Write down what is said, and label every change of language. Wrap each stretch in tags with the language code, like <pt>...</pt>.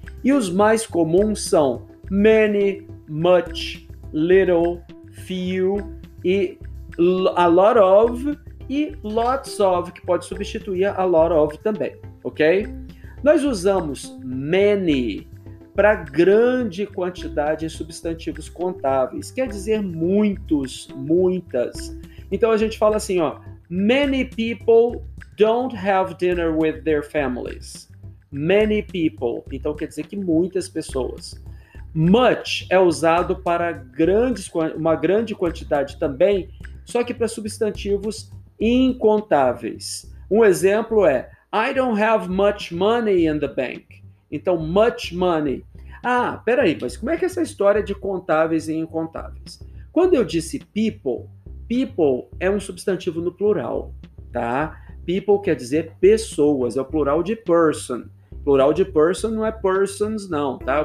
<pt>E os mais comuns são many, much, little, few, e a lot of, e lots of, que pode substituir a lot of também, ok? Nós usamos many para grande quantidade em substantivos contáveis, quer dizer muitos, muitas. Então a gente fala assim, ó,</pt> <en>many people don't have dinner with their families. Many people,</en> <pt>então quer dizer que muitas pessoas. Much é usado para uma grande quantidade também, só que para substantivos incontáveis. Um exemplo é,</pt> <en>I don't have much money in the bank.</en> <pt>Então, much money. Ah, peraí, mas como é que é essa história de contáveis e incontáveis? Quando eu disse people, people é um substantivo no plural, tá? People quer dizer pessoas, é o plural de person. Plural de person não é persons, não, tá?</pt>